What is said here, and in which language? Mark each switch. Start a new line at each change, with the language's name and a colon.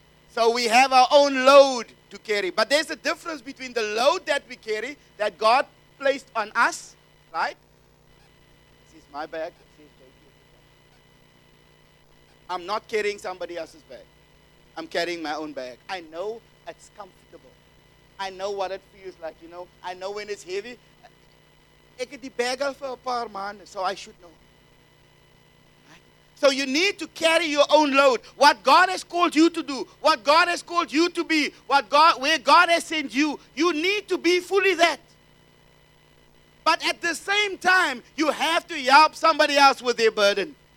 English: So we have our own load to carry. But there's a difference between the load that we carry that God placed on us, right? This is my bag. I'm not carrying somebody else's bag. I'm carrying my own bag. I know it's comfortable. I know what it feels like, you know. I know when it's heavy.
Afrikaans: Ek het die bag al vir 'n paar maande,
English: so I should know. So you need to carry your own load. What God has called you to do, what God has called you to be, what God, where God has sent you, you need to be fully that. But at the same time, you have to help somebody else with their burden.